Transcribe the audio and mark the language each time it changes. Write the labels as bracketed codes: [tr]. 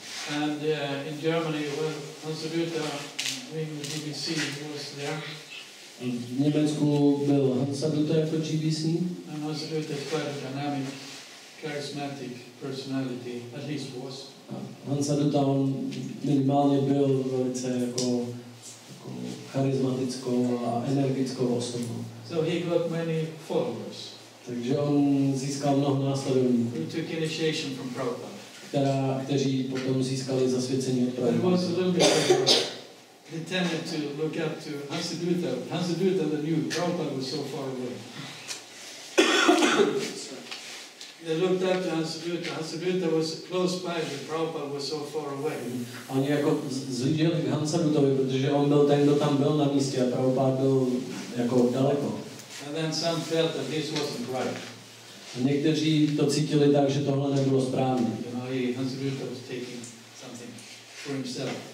[en] And in Germany, when Hans-Rüther, being the GBC, he was there. [cs] V Německu byl Hans-Rüther jako GBC. [en] And Hans-Rüther is quite a dynamic, charismatic personality, at least was. [cs] Hans-Rüther on minimálně byl velice jako charismatickou a energickou osobou. [en] So he got many followers. [cs] Takže on získal mnoho následovníků. [en] He took initiation from Prabhupada. [cs] Kteří potom získali zasvěcení od Prabhupada. [en] It was a little bit like they tended to look up to Hans-Rüther. Hans-Rüther the new Prabhupada was so far away. They looked up to Hans-Rüther. Hans-Rüther was close by, but Prabhupada was so far away. [cs] Oni jako zviděli k Hans-Rüthovi, protože on byl ten, kdo tam byl na místě a Prabhupada byl jako daleko. [en] And then some felt that this wasn't right. [cs] A někteří to cítili tak, že tohle nebylo správně. [en] You know, Hans-Rüther was taking something for himself.